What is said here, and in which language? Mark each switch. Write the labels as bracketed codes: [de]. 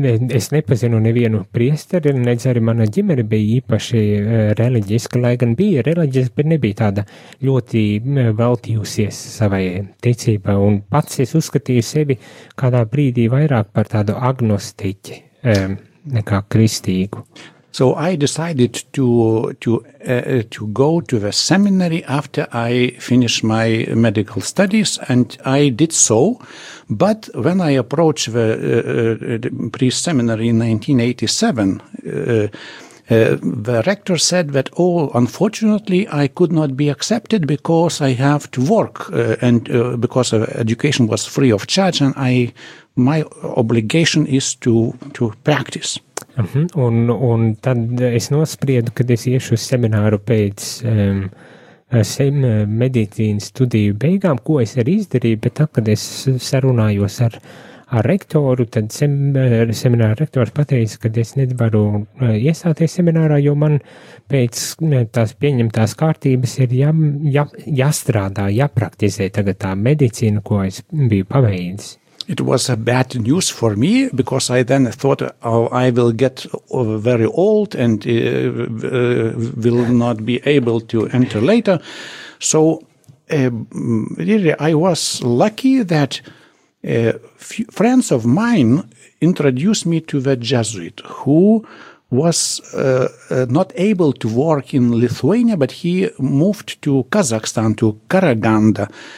[lv] Es nepazinu nevienu priesteri, nedz arī mana ģimene bija īpaši reliģiska, lai gan bija reliģiska, bet nebija tāda ļoti veltījusies savai ticībai, un pats es uzskatīju sevi kādā brīdī vairāk par tādu agnostiķi nekā kristīgu. [en] So I decided to go to the seminary after I finished my medical studies, and I did so. But when I approached the priest seminary in 1987, the rector said that, oh, unfortunately, I could not be accepted because I have to work and because education was free of charge, and my obligation is to practice. [lv] Un tad es nospriedu, kad es iešu uz semināru pēc medicīnas studiju beigām, ko es arī izdarīju, bet tā, kad es sarunājos ar rektoru, tad semināra rektors pateica, ka es nevaru iesāties seminārā, jo man pēc tās pieņemtās kārtības ir jāstrādā, jāpraktizē tagad tā medicīna, ko es biju paveicis. [en] It was a bad news for me, because I then thought, oh, I will get very old and will not be able to enter later. So really, I was lucky that friends of mine introduced me to the Jesuit, who was not able to work in Lithuania, but he moved to Kazakhstan, to Karaganda.